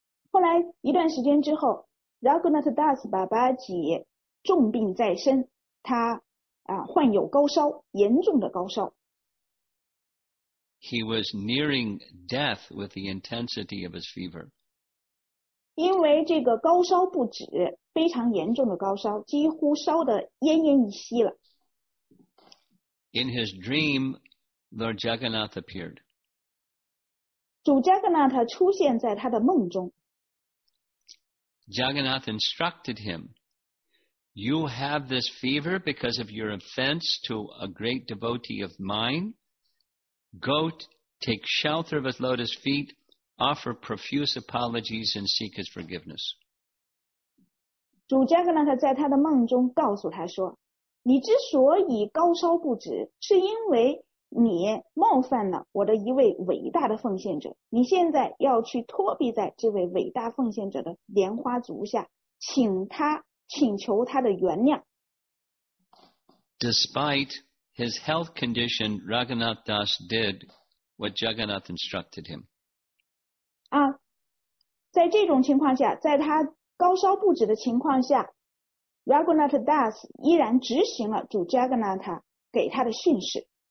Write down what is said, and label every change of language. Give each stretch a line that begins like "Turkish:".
Chinese: 后来一段时间之后 Raghunath Das Babaji 重病在身，他患有高烧，严重的高烧。
English: He was nearing death with the intensity of his fever.
Chinese: 因为这个高烧不止，非常严重的高烧，几乎烧得奄奄一息了。
English: In his dream, Lord Jagannath appeared.
Chinese: 主 Jagannath 出现在他的梦中。
English: Jagannath instructed him, "You have this fever because of your offense to a great devotee of mine. Go take shelter of his lotus feet, offer profuse apologies and seek his forgiveness.
Chinese: 主迦格纳特在他的梦中告诉他说，你之所以高烧不止，是因为你冒犯了我的一位伟大的奉献者，你现在要去托庇在这位伟大奉献者的莲花足下，请求他的原谅。
English: DespiteHis health condition, Raghunath Das did what Jagannath instructed him.
Chinese: 在这种情况下，在他高烧不止的情况下， Raghunath Das 依然执行了主 Jagannath 给他的训示。